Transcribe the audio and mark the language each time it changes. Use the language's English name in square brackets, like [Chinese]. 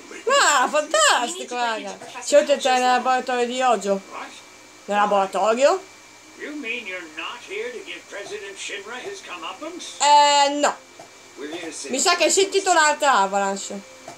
[Italian] Ah, fantastico, raga. Ci siete entrati nel laboratorio di Ojo. Nel laboratorio? [English] You mean you're not here to give President Shinra his comeuppance? No. [Italian] Mi sa che hai sentito l'altra Avalanche.